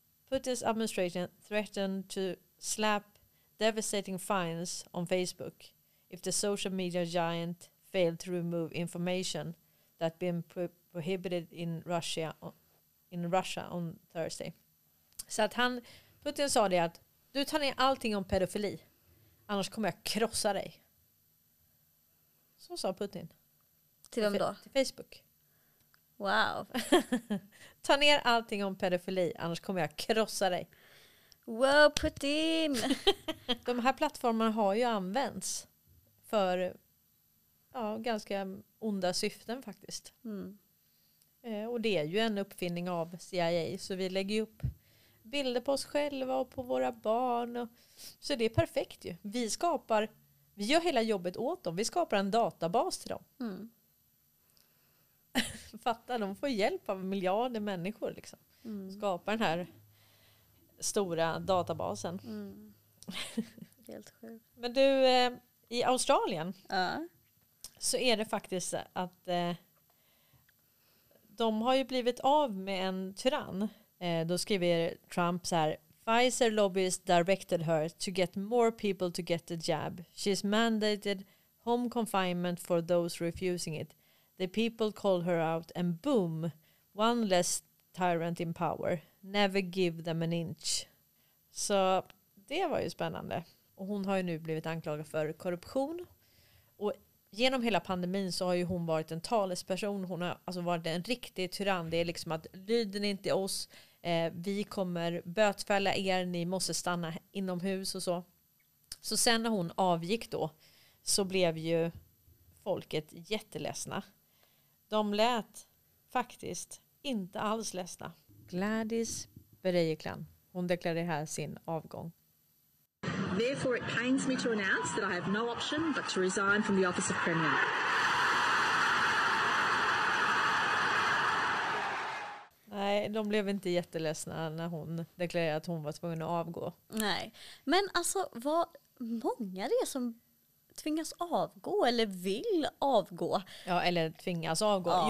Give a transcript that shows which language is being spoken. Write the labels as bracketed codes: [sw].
[en] Putin's administration threatened to slap devastating fines on Facebook if the social media giant failed to remove information that been prohibited in Russia on Thursday. [sv] Så att han, Putin sa det att du tar ner allting om pedofili. Annars kommer jag krossa dig. Så sa Putin. Till vem då? Till Facebook. Wow. Ta ner allting om pedofili. Annars kommer jag krossa dig. Wow, Putin. De här plattformarna har ju använts. För ja, ganska onda syften faktiskt. Mm. Och det är ju en uppfinning av CIA. Så vi lägger upp bilder på oss själva och på våra barn. Så det är perfekt ju. Vi gör hela jobbet åt dem. Vi skapar en databas till dem. Mm. Fatta, de får hjälp av miljarder människor. Liksom. Mm. Skapar den här stora databasen. Mm. Helt sjukt. Men du, i Australien så är det faktiskt att de har ju blivit av med en tyrann. Då skriver Trump så här, [en] Pfizer lobbyist directed her to get more people to get the jab. She's mandated home confinement for those refusing it. The people call her out and boom, one less tyrant in power. Never give them an inch. [sv] Så det var ju spännande. Och hon har ju nu blivit anklagad för korruption. Och genom hela pandemin så har ju hon varit en talesperson. Hon har alltså varit en riktig tyrann. Det är liksom att lyder ni inte oss, vi kommer bötfälla er, ni måste stanna inomhus och så. Så sen när hon avgick då så blev ju folket jätteledsna. De lät faktiskt inte alls ledsna. Gladys Berejiklian, hon deklarerar här sin avgång. [en] Therefore it pains me to announce that I have no option but to resign from the office of Premier. [sv] Nej, de blev inte jätteledsna när hon deklarerade att hon var tvungen att avgå. Nej, men alltså vad många det är som tvingas avgå eller vill avgå. Ja, eller tvingas avgå. Ja.